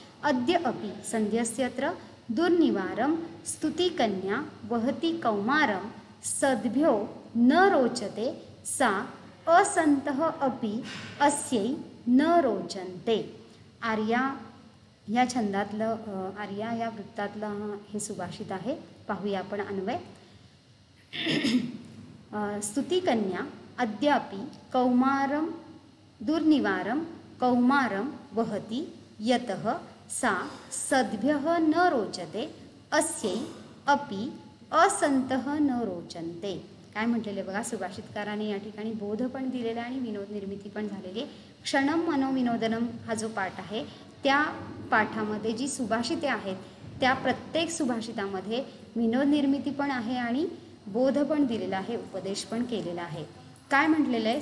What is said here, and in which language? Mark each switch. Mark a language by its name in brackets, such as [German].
[Sanskrit] अद्य अपि संध्यस्यत्र दुर्निवारम स्तुतिकन्या वहती कौमारम सद्भ्यो न रोचते सा असंतह अपि अस्यै न रोचन्ते. [Marathi] आर्या या छंदातलं आर्या या वृत्तातलं हे सुभाषित आहे. पाहूया आपण अन्वय. [Sanskrit] स्तुतिकन्या अद्यापि कौमारं दुर्निवारं कौमारं वहति यतः सा सद्भ्यः न रोचते अस्यै अपि असंतः न रोचन्ते. [Marathi] काय म्हटलेले बघा सुभाषितकाराने या ठिकाणी. बोध पण दिलेला आहे आणि विनोद निर्मिती पण झालेली आहे. क्षणम मनोविनोदनम हा जो पाठ आहे त्या पाठामध्ये जी सुभाषिते आहेत त्या प्रत्येक सुभाषितामध्ये विनोद निर्मिती पण आहे आणि बोध पण दिलेला आहे, उपदेश पण केलेला आहे. काय म्हटलेलं आहे?